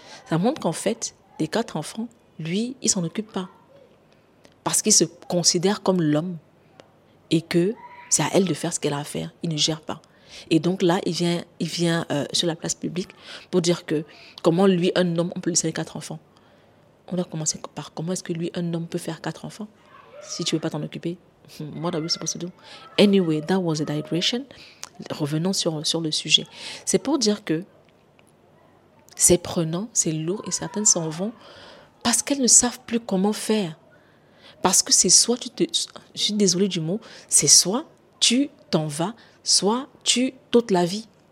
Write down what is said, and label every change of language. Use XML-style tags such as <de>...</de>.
<fr>Ça montre qu'en fait, les 4 enfants, lui, il ne s'en occupe pas parce qu'il se considère comme l'homme et que c'est à elle de faire ce qu'elle a à faire. Il ne gère pas. Et donc là, il vient sur la place publique pour dire que comment lui, un homme, on peut lui laisser 4 enfants. On doit commencer par comment est-ce que lui, un homme, peut faire 4 enfants si tu ne veux pas t'en occuper.</fr> <en>What are we supposed to do? Anyway, that was a digression.</en> <fr>Revenons sur le sujet. C'est pour dire que c'est prenant, c'est lourd et certaines s'en vont parce qu'elles ne savent plus comment faire. Parce que c'est soit tu te... Je suis désolée du mot. C'est soit tu t'en vas, soit tu t'ôtes la vie.</fr>